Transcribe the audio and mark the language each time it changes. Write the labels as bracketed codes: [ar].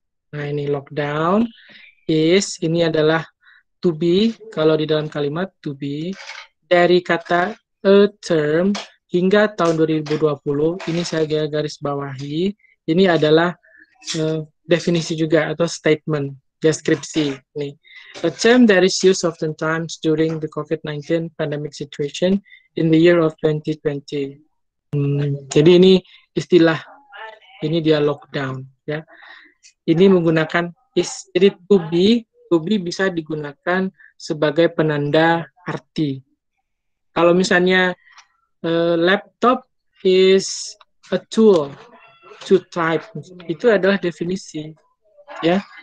[id] Nah, ini [en] lockdown is, [id] ini adalah to be, kalau di dalam kalimat to be, dari kata [en] a term [id] hingga tahun 2020, ini saya garis bawahi, ini adalah definisi juga atau statement, deskripsi. [en] Nih. A term that is used oftentimes during the COVID-19 pandemic situation in the year of 2020. [id] Jadi ini istilah, ini dia lockdown. Ya. Ini menggunakan is, jadi to be bisa digunakan sebagai penanda arti. Kalau misalnya [en] laptop is a tool to type, [id] itu adalah definisi, ya.